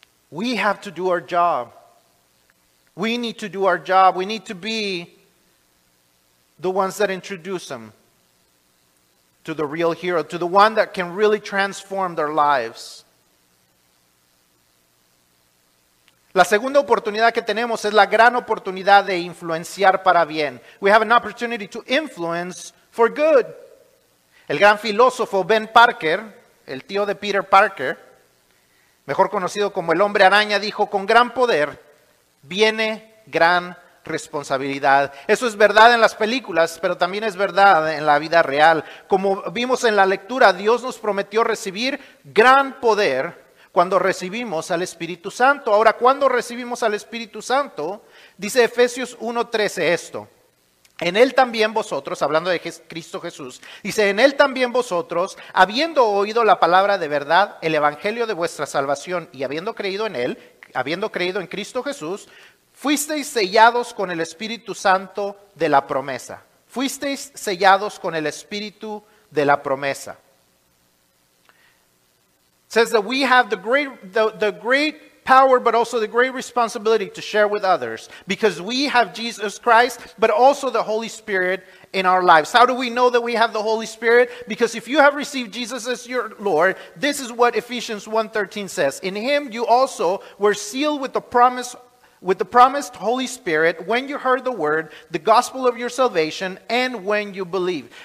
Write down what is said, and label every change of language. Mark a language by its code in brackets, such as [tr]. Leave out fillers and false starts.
[en] We have to do our job. We need to do our job. We need to be the ones that introduce them to the real hero, to the one that can really transform their lives. [es] La segunda oportunidad que tenemos es la gran oportunidad de influenciar para bien. [en] We have an opportunity to influence for good. [es] El gran filósofo Ben Parker, el tío de Peter Parker, mejor conocido como el hombre araña, dijo: con gran poder viene gran responsabilidad. Eso es verdad en las películas, pero también es verdad en la vida real. Como vimos en la lectura, Dios nos prometió recibir gran poder cuando recibimos al Espíritu Santo. Ahora, ¿cuándo recibimos al Espíritu Santo? Dice Efesios 1:13 esto: en él también vosotros, hablando de Cristo Jesús, dice: en él también vosotros, habiendo oído la palabra de verdad, el evangelio de vuestra salvación, y habiendo creído en él, habiendo creído en Cristo Jesús, fuisteis sellados con el Espíritu Santo de la promesa. Fuisteis sellados con el Espíritu de la promesa. [en] Says that we have the great power, but also the great responsibility to share with others, because we have Jesus Christ, but also the Holy Spirit in our lives. How do we know that we have the Holy Spirit? Because if you have received Jesus as your Lord, this is what Ephesians 1:13 says: in him you also were sealed with the promised Holy Spirit when you heard the word, the gospel of your salvation, and when you believed.